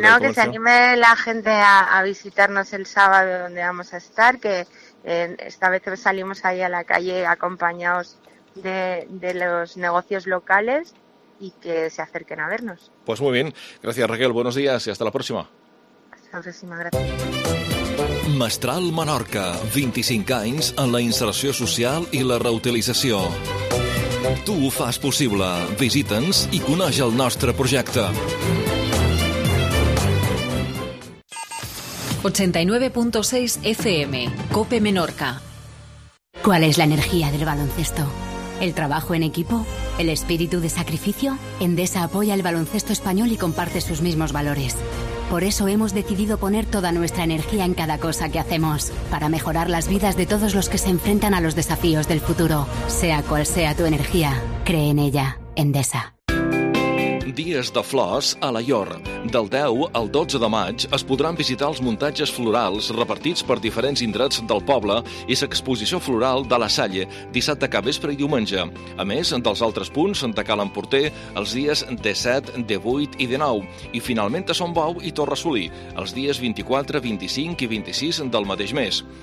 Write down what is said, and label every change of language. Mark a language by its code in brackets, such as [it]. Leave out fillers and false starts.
[es] del Comercio? Pues no, que se anime la gente a visitarnos el sábado donde vamos a estar, que esta vez salimos ahí a la calle acompañados de los negocios locales y que se acerquen a vernos. Pues muy bien, gracias Raquel, buenos días y hasta la próxima. Hasta la próxima, gracias. [ca] Mestral Menorca, 25 anys en la inserció social i la reutilització. Tu ho fas possible. Visita'ns i coneix el nostre projecte. 89.6 FM, Cope Menorca. [es] ¿Cuál es la energía del baloncesto? ¿El trabajo en equipo? ¿El espíritu de sacrificio? Endesa apoya el baloncesto español y comparte sus mismos valores. Por eso hemos decidido poner toda nuestra energía en cada cosa que hacemos, para mejorar las vidas de todos los que se enfrentan a los desafíos del futuro. Sea cual sea tu energía, cree en ella. Endesa. [ca] Dies de flors a l'Aior. Del 10 al 12 de maig es podran visitar els muntatges florals repartits per diferents indrets del poble i l'exposició floral de la Salle, dissabte cap vespre i diumenge. A més, dels altres punts, de Cal Emporter, els dies de 7, de 8 i de 9, i finalment a Sombou i Torresolí, els dies 24, 25 i 26 del mateix mes.